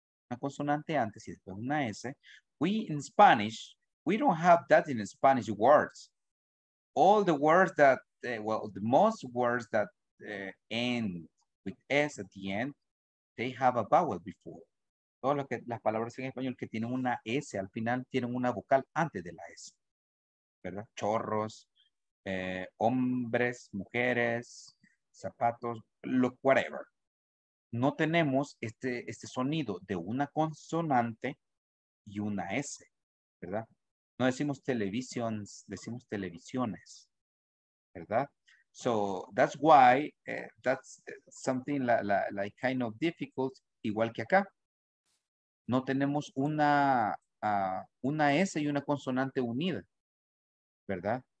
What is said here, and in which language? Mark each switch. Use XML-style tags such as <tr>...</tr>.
<es>Una consonante antes y después una S.</es> <en>We in Spanish, we don't have that in Spanish words. All the words that, the most words that end with S at the end, they have a vowel before.</en> <es>Todas las palabras en español que tienen una S al final tienen una vocal antes de la S. ¿Verdad? Chorros, hombres, mujeres, zapatos,</es> <en>look, whatever.</en> <es>No tenemos este sonido de una consonante y una S, ¿verdad? No decimos televisions, decimos televisiones, ¿verdad?</es> <en>So that's why that's something like kind of difficult,</en> <es>igual que acá. No tenemos una S y una consonante unida, ¿verdad?</es>